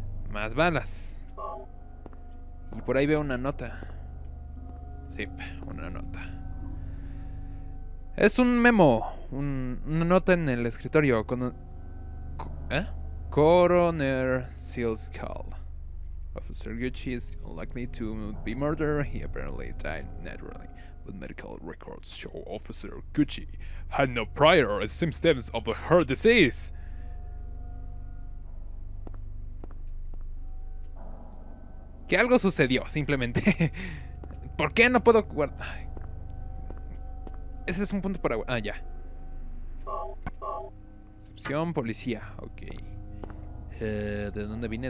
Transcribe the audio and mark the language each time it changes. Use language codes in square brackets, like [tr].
[es] Más balas. Y por ahí veo una nota. Sí, una nota. Es un memo. Una nota en el escritorio. [en] Coroner Sealskull. Officer Gucci is likely to be murdered. He apparently died naturally. But medical records show Officer Gucci had no prior symptoms of her disease. [es] Que algo sucedió, simplemente. ¿Por qué no puedo guardar? Ese es un punto para... Ah, ya. Excepción, policía. Ok. ¿De dónde vine?